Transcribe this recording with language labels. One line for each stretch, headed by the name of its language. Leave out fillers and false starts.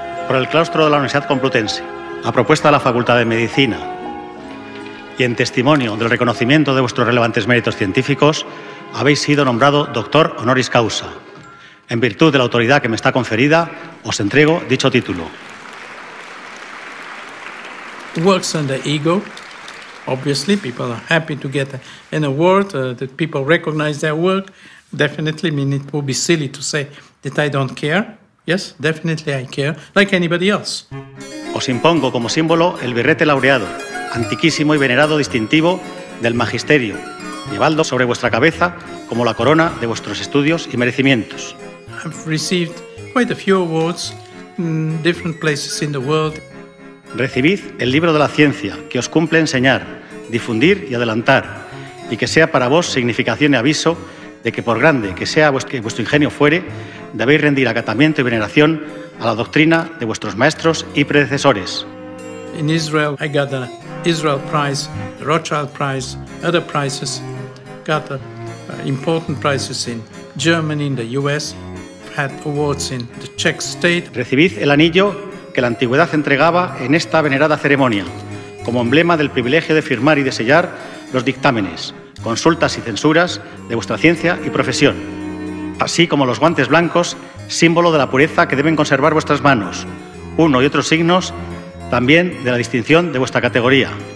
Spanish: El claustro de la Universidad Complutense, a propuesta de la Facultad de Medicina y en testimonio del reconocimiento de vuestros relevantes méritos científicos, habéis sido nombrado doctor honoris causa. En virtud de la autoridad que me está conferida, os entrego dicho título.
English: Works on the ego. Obviously, people are happy to get an award, that people recognize their work. Definitely, I mean, it would be silly to say that I don't care. Yes, definitely I care, like anybody else.
Spanish: Os impongo como símbolo el birrete laureado, antiquísimo y venerado distintivo del magisterio, llevadlo sobre vuestra cabeza como la corona de vuestros estudios y merecimientos.
English: I've received quite a few awards in different places in the world.
Spanish: Recibid el libro de la ciencia que os cumple enseñar, difundir y adelantar, y que sea para vos significación y aviso de que por grande que sea vuestro ingenio fuere, debéis rendir acatamiento y veneración a la doctrina de vuestros maestros y predecesores.
English: In Israel, I got the Israel Prize, the Rothschild Prize, other prizes, got the important prizes in Germany, in the US, had awards in the Czech state.
Spanish: Recibid el anillo que la antigüedad entregaba en esta venerada ceremonia, como emblema del privilegio de firmar y de sellar los dictámenes, consultas y censuras de vuestra ciencia y profesión, así como los guantes blancos, símbolo de la pureza que deben conservar vuestras manos, uno y otros signos también de la distinción de vuestra categoría.